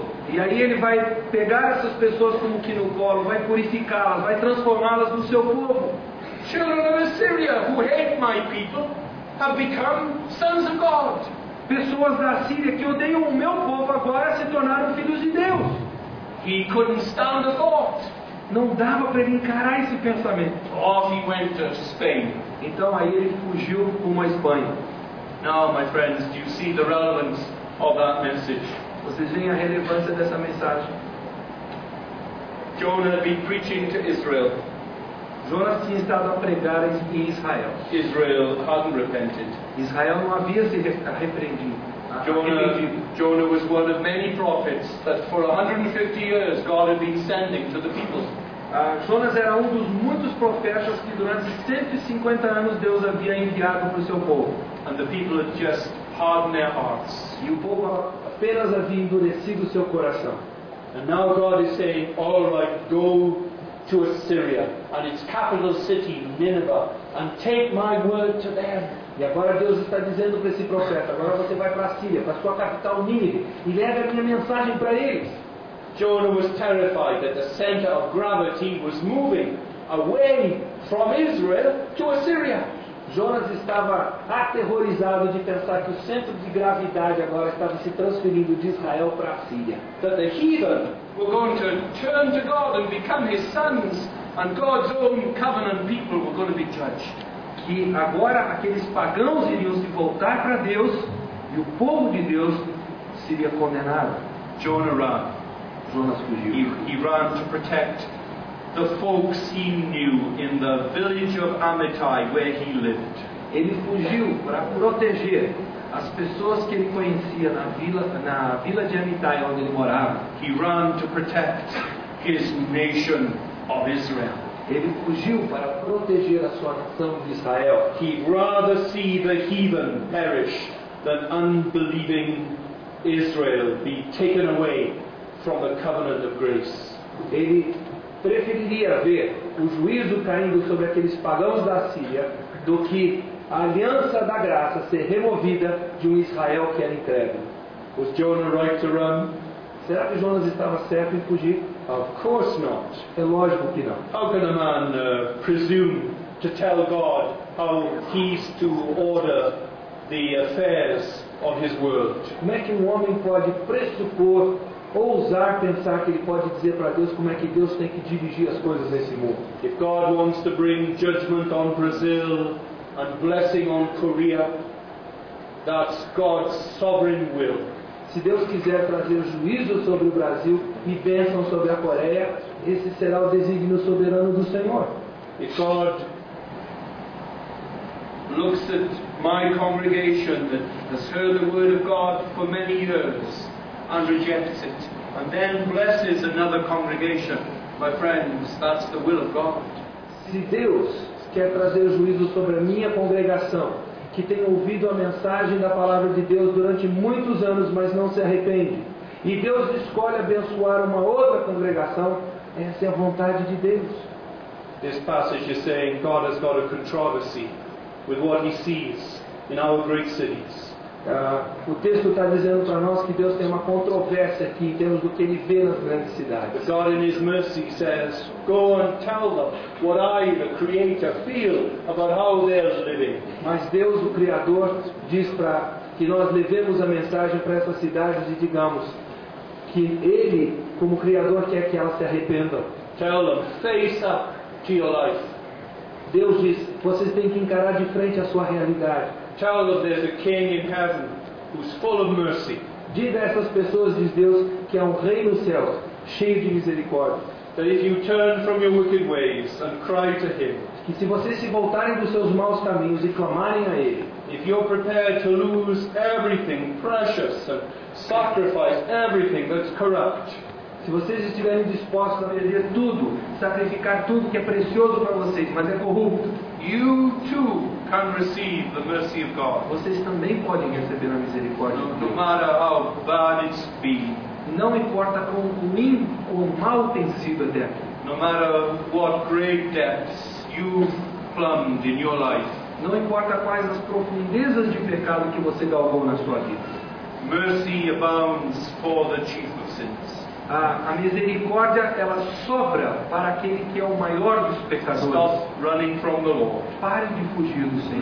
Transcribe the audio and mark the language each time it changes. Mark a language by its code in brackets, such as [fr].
[pt] E aí Ele vai pegar essas pessoas como que no colo, vai purificá-las, vai transformá-las no seu povo. [en] Children of Assyria, who hate my people, have become sons of God. [pt] Pessoas da Síria que odeiam o meu povo agora se tornaram filhos de Deus. [en] He couldn't stand the thought. [pt] Não dava para ele encarar esse pensamento. [en] Off he went to Spain. [pt] Então aí ele fugiu para a Espanha. [en] Now, my friends, do you see the relevance of that message? [pt] Vocês veem a relevância dessa mensagem? [en] Jonah had been preaching to Israel. [pt] Jonas tinha estado a pregar em Israel. [en] Israel hadn't repented. [pt] Israel não havia se arrependido. [en] Jonah was one of many prophets that for 150 years God had been sending to the people. [pt] Jonas era um dos muitos profetas que durante 150 anos Deus havia enviado para o seu povo. [en] And the people had just hardened their hearts. [pt] E o povo apenas havia endurecido seu coração. [en] And now God is saying, all right, go to Assyria and its capital city, Nineveh, and take my word to them. [pt] E agora Deus está dizendo para esse profeta, agora você vai para a Síria, para a sua capital Nínive, e leve a minha mensagem para eles. [en] Jonah was terrified that the center of gravity was moving away from Israel to Assyria. [pt] Jonas estava aterrorizado de pensar que o centro de gravidade agora estava se transferindo de Israel para a Síria. [en] That the heathen were going to turn to God and become his sons, and God's own covenant people were going to be judged. [pt] Que agora aqueles pagãos iriam se voltar para Deus e o povo de Deus seria condenado. [en] Jonah ran. [pt] Jonas fugiu. [en] He ran to protect the folks he knew in the village of Amittai where he lived. [pt] Ele fugiu para proteger as pessoas que ele conhecia na vila de Amittai onde ele morava. [en] He ran to protect his nation of Israel. [pt] Ele fugiu para proteger a sua nação de Israel. [en] He'd rather see the heathen perish than unbelieving Israel be taken away from the covenant of grace. [pt] Ele preferiria ver o juízo caindo sobre aqueles pagãos da Síria do que a aliança da graça ser removida de um Israel que era incrédulo. [en] Was Jonah right to run? [pt] Será que Jonas estava certo em fugir? [en] Of course not. [pt] É lógico que não. [en] How can a man presume to tell God how he's to order the affairs of his world? [pt] Como é que um homem pode pressupor ou ousar pensar que ele pode dizer para Deus como é que Deus tem que dirigir as coisas nesse mundo? [en] If God wants to bring judgment on Brazil and blessing on Korea, that's God's sovereign will. [pt] Se Deus quiser trazer juízo sobre o Brasil e bênção sobre a Coreia, esse será o desígnio soberano do Senhor. [en] E God looks at my congregation that has heard the word of God for many years and rejects it, and then blesses another congregation. My friends, that's the will of God. [pt] Se Deus quer trazer juízo sobre a minha congregação, que tem ouvido a mensagem da palavra de Deus durante muitos anos, mas não se arrepende, e Deus escolhe abençoar uma outra congregação, essa é a vontade de Deus. [en] This passage is saying God has got a controversy with what he sees in our great cities. [pt] O texto está dizendo para nós que Deus tem uma controvérsia aqui em termos do que ele vê nas grandes cidades. [en] But God in his mercy says, go and tell them what I, the Creator, feel about how they're living. [pt] Mas Deus, o Criador, diz para que nós levemos a mensagem para essas cidades e digamos que ele, como Criador, quer que elas se arrependam. [en] Tell them, face up to your life. [pt] Deus diz, vocês têm que encarar de frente a sua realidade. [en] Tell them there's a king in heaven who's full of mercy. [pt] Diga a essas pessoas, diz Deus, que há um rei no céu cheio de misericórdia. [en] That if you turn from your wicked ways and cry to him, [pt] que se vocês se voltarem dos seus maus caminhos e clamarem a ele, [en] if you're prepared to lose everything precious and sacrifice everything that's corrupt, [pt] se vocês estiverem dispostos a perder tudo, sacrificar tudo que é precioso para vocês, mas é corrupto, [en] you too can receive the mercy of God. [pt] Vocês também podem receber a misericórdia. [en] No matter how bad it's been. [pt] Não importa quão ruim ou mal tem sido até aqui. [en] No matter what great depths you've plumbed in your life. [pt] Não importa quais as profundezas de pecado que você galgou na sua vida. [en] Mercy abounds for the chief of sins. [pt] A misericórdia, ela sobra para aquele que é o maior dos pecadores. [en] Stop running from the Lord. [pt] Pare de fugir do Senhor.